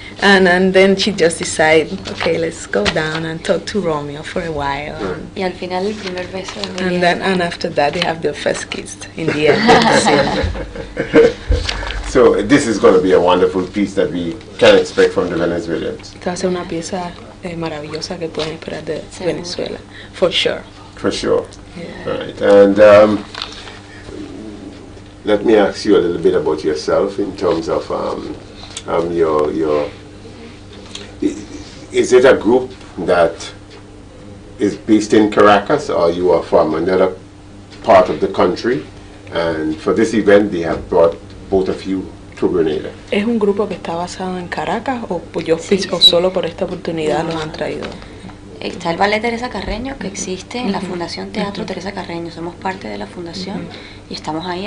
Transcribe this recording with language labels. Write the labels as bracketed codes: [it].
[en] And then she just decides, okay, let's go down and talk to Romeo for a while. [es] Y al final el primer beso de Juliet. [en] And after that they have their first kiss in the end. So this is going to be a wonderful piece that we can expect from the Venezuelans. [es] Maravillosa que pueden esperar de Venezuela, [en] for sure. For sure. Yeah. Right. And let me ask you a little bit about yourself in terms of your. Is it a group that is based in Caracas, or you are from another part of the country? And for this event, they have brought both of you. [es] ¿Es un grupo que está basado en Caracas o solo por esta oportunidad lo han traído? Está el Ballet Teresa Carreño, que existe en la Fundación Teatro Teresa Carreño. Somos parte de la fundación y estamos ahí.